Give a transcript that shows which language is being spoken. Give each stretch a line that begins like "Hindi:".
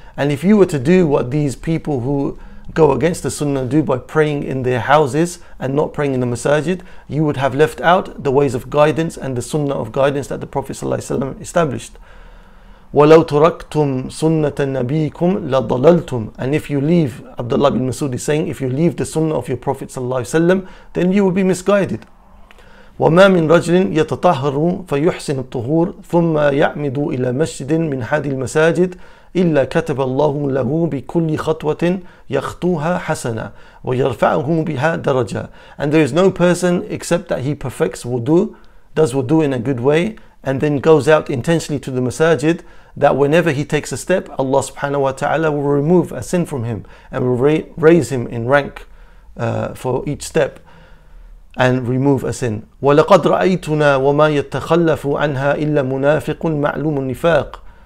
English: And if you were to do what these people who go against the sunnah do by praying in their houses and not praying in the masajid, you would have left out the ways of guidance and the sunnah of guidance that the Prophet ﷺ established.
Arabic: وَلَوْ تُرَكْتُمْ سُنَّةَ نَبِيِّكُمْ لَضَلَلْتُمْ.
English: And if you leave, Abdullah bin Masud is saying, if you leave the sunnah of your Prophet ﷺ, then you will be misguided.
Arabic: وَمَا مِنْ رَجْلٍ يَتَطَهَّرُ فَيُحْسِنُ الطُّهُورُ ثُمَّ يَعْمِدُ إِلَى مَسْجِدٍ مِنْ هَذِهِ الْمَسَاجِدِ إِلَّا كَتَبَ اللَّهُ لَهُ بِكُلِّ خَطْوَةٍ يَخْطُوهَا حَسَنًا وَيَرْفَعُهُ بِهَا دَرَجًا.
English: And there is no person except that he perfects wudu, does wudu in a good way, and then goes out intentionally to the masajid, that whenever he takes a step, Allah subhanahu wa ta'ala will remove a sin from him and will raise him in rank for each step and remove a sin.
Arabic: وَلَقَدْ رَأَيْتُنَا وَمَا يَتَّخَلَّفُ عَنْهَا إِلَّا مُنَافِقٌ مَعْلُومُ النِّفَاقِ.